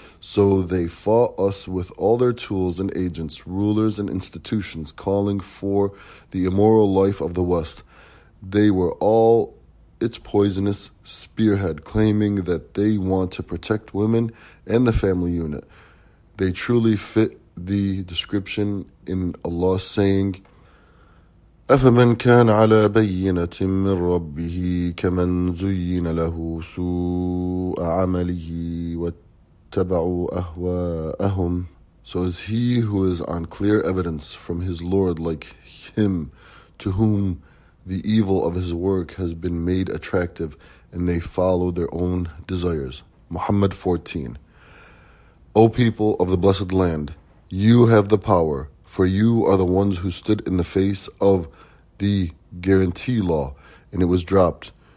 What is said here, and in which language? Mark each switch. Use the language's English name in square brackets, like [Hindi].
[English] So they fought us with all their tools and agents, rulers and institutions, calling for the immoral life of the West. They were all its poisonous spearhead, claiming that they want to protect women and the family unit. They truly fit the description in Allah saying, [Arabic] أَفَمَنْ كَانَ عَلَى بَيِّنَةٍ مِّنْ رَبِّهِ كَمَنْ زُيِّنَ لَهُ سُوءَ عَمَلِهِ وَاتَّبَعُوا أَهْوَاءَهُمْ. [English] So is he who is on clear evidence from his Lord like him to whom the evil of his work has been made attractive and they follow their own desires. Muhammad 14. O people of the blessed land, you have the power, for you are the ones who stood in the face of the guarantee law, and it was dropped.